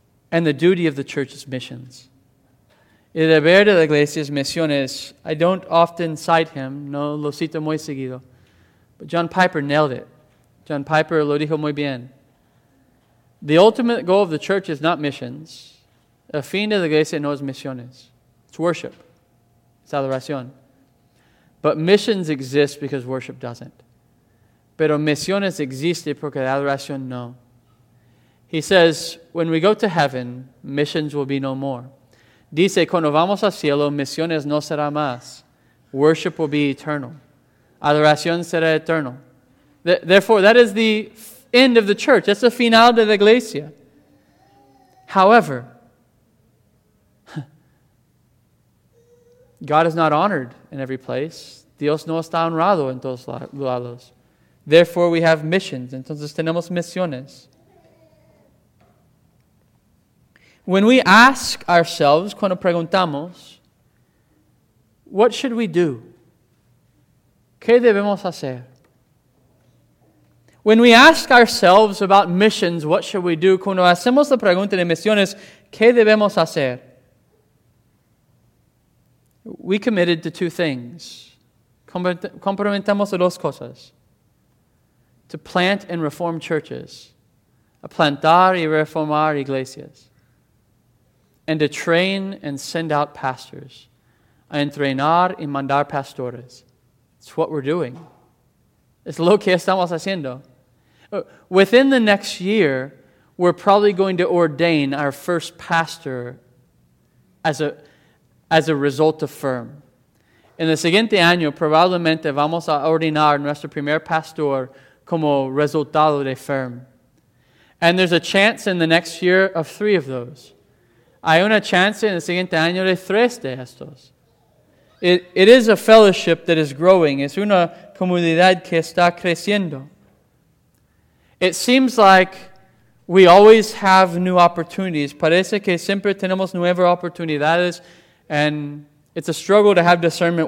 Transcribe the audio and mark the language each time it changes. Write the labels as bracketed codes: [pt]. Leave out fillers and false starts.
[en] And the duty of the church is missions. [es] El deber de la iglesia es misiones. [en] I don't often cite him, [es] no lo cito muy seguido. [en] But John Piper nailed it. [es] John Piper lo dijo muy bien. [en] The ultimate goal of the church is not missions. [es] El fin de la iglesia no es misiones. [en] It's worship. It's adoración. But missions exist because worship doesn't. [es] Pero misiones existe porque la adoración no. [en] He says, when we go to heaven, missions will be no more. [es] Dice, cuando vamos al cielo, misiones no será más. [en] Worship will be eternal. [es] Adoración será eternal. [en] Therefore, that is the end of the church. That's the final [es] de la iglesia. [en] However, God is not honored in every place. [es] Dios no está honrado en todos lados. [en] Therefore, we have missions. [es] Entonces, tenemos misiones. [en] When we ask ourselves, [es] cuando preguntamos, [en] what should we do? [es] ¿Qué debemos hacer? [en] When we ask ourselves about missions, what should we do? [es] Cuando hacemos la pregunta de misiones, ¿qué debemos hacer? [en] We committed to two things. [es] Comprometemos a dos cosas. [en] To plant and reform churches. [es] A plantar y reformar iglesias. [en] And to train and send out pastors. [es] A entrenar y mandar pastores. [en] It's what we're doing. [es] Es lo que estamos haciendo. [en] Within the next year, we're probably going to ordain our first pastor as a result of FIRM. [es] En el siguiente año, probablemente vamos a ordenar nuestro primer pastor como resultado de FIRM. [en] And there's a chance in the next year of three of those. [es] Hay una chance en el siguiente año de tres de estos. [en] It is a fellowship that is growing. [es] Es una comunidad que está creciendo. [en] It seems like we always have new opportunities. [es] Parece que siempre tenemos nuevas oportunidades. [en] And it's a struggle to have discernment.